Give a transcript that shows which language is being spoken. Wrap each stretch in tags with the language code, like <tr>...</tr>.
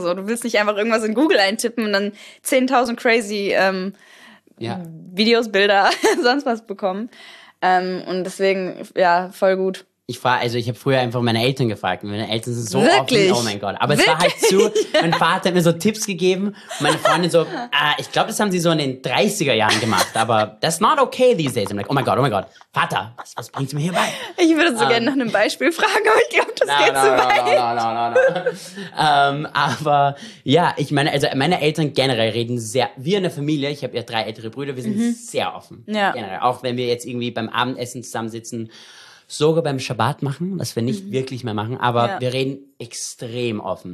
<de>So, du willst nicht einfach irgendwas in Google eintippen und dann 10.000 crazy Videos, Bilder, sonst was bekommen. Und deswegen, ja, voll gut. Ich habe früher einfach meine Eltern gefragt. Meine Eltern sind so wirklich? Offen. Oh mein Gott. Aber wirklich? Es war halt zu. Mein Vater hat mir so Tipps gegeben. Meine Freundin so, ich glaube, das haben sie so in den 30er Jahren gemacht.</de> <en>Aber that's not okay these days. I'm like,</en> <de>oh mein Gott. Vater, was bringst du mir hierbei? Ich würde so gerne nach einem Beispiel fragen, aber ich glaube, das geht zu weit. Aber ja, ich meine, also meine Eltern generell reden sehr, wir in der Familie, ich habe ja 3 ältere Brüder, wir sind sehr offen. Ja. Generell. Auch wenn wir jetzt irgendwie beim Abendessen zusammensitzen, sogar beim Schabbat machen, was wir nicht wirklich mehr machen, aber wir reden extrem offen.</de>